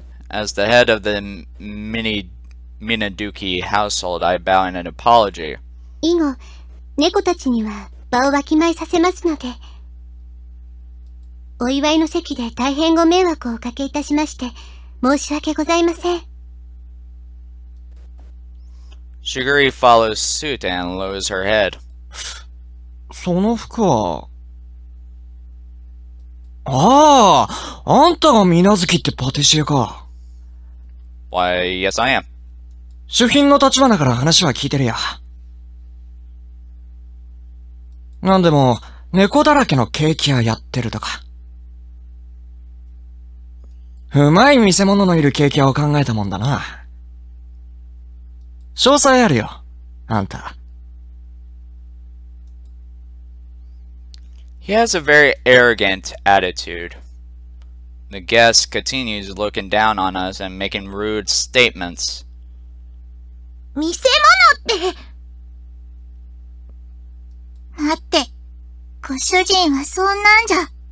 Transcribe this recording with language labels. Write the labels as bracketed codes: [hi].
[en] As the head of the Minaduki household, I bow in an apology. [ja] 以後、猫たちには場をわきまえさせますので。お祝いの席で大変ご迷惑をおかけいたしまして、申し訳ございません。 [en] Shigeru follows suit and lowers her head. [ja] その服は…ああ、あんたがミナズキってパティシエか。 [en] Why, yes I am. [ja] 主賓の立場だから話は聞いてるや。なんでも、猫だらけのケーキ屋やってるとか。うまい見せ物のいるケーキ屋を考えたもんだな。詳細あるよ、あんた。 [en] He has a very arrogant attitude. The guest continues looking down on us and making rude statements. [ja] 見せ物って。待って、ご主人はそんなんじゃ。